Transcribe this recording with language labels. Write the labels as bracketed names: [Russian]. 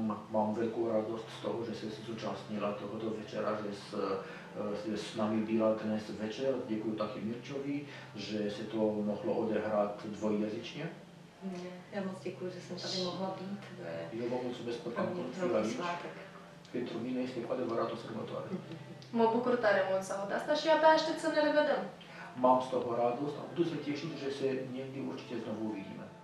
[Czech] Mám velkou radost z toho, že jsi se zúčastnila tohoto večera, že jsi s námi byla dnes večer. Děkuji taky Mirčovi, že se to mohlo odehrát dvojjazyčně. Já moc děkuji, že jsem tady mohla být. Jo, mám moc bezpotkání, kvůli svátek. [Romanian] Pentru mine este cu adevărat o sărbătoare. Mă bucur tare mult să aud asta și abia aștept să ne revedem. [Czech] Mám z toho radost a budu se těšit, že se někdy určitě znovu uvidíme.